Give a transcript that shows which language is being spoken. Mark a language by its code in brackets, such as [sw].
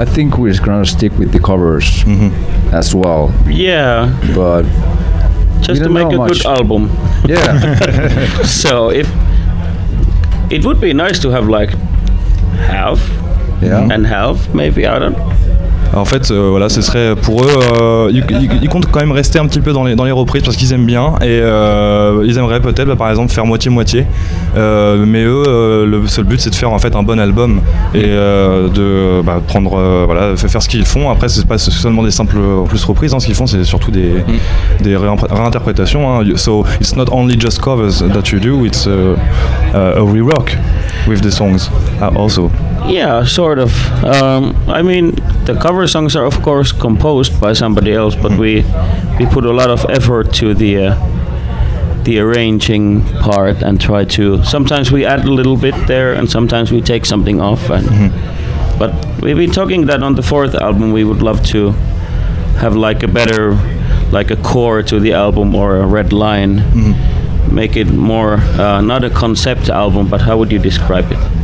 [en] I think we're just gonna stick with the covers mm-hmm. as well. Yeah. But just to make a much. Good album. Yeah. So if it would be nice to have like half and half, maybe, I don't. [fr] En fait, voilà, ce serait pour eux. Ils comptent quand même rester un petit peu dans les reprises parce qu'ils aiment bien, et ils aimeraient peut-être, par exemple, faire moitié-moitié. Mais eux, le seul but, c'est de faire en fait un bon album et prendre, faire ce qu'ils font. Après, c'est pas seulement des simples plus reprises. Hein, ce qu'ils font, c'est surtout des réinterprétations. Hein. [en] So it's not only just covers that you do. It's a rework with the songs also. Yeah, sort of. I mean, the cover songs are of course composed by somebody else, but we put a lot of effort to the arranging part, and try to, sometimes we add a little bit there and sometimes we take something off, and but we've been talking that on the fourth album we would love to have like a better, like a core to the album, or a red line, make it more not a concept album, but how would you describe it?